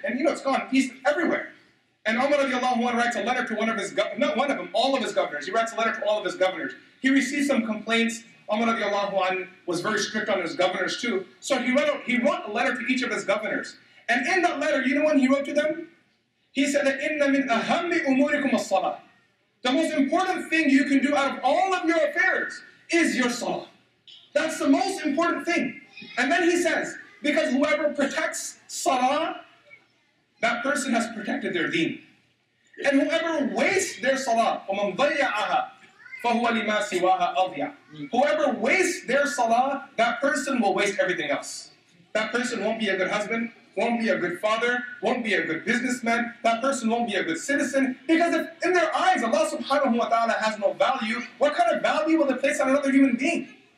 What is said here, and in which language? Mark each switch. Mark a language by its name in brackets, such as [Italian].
[English] And, you know, it's gone east everywhere. And Umar radiallahu anhu writes a letter to all of his governors. He received some complaints. Umar radiallahu anhu was very strict on his governors too. So he wrote a letter to each of his governors. And in that letter, you know what he wrote to them? He said that, [Arabic] إِنَّ مِنْ أَهَمِّ أُمُورِكُمَ الصَّلَةِ. [English] The most important thing you can do out of all of your affairs is your salah. That's the most important thing. And then he says, because whoever protects salah, that person has protected their deen. And whoever wastes their salah, [Arabic] وَمَنْ ضَيَّعَهَا فَهُوَ لِمَا سِوَاهَا أَضْيَعَ. [English] Whoever wastes their salah, that person will waste everything else. That person won't be a good husband, won't be a good father, won't be a good businessman, that person won't be a good citizen, because if in their eyes Allah subhanahu wa ta'ala has no value, what kind of value will they place on another human being?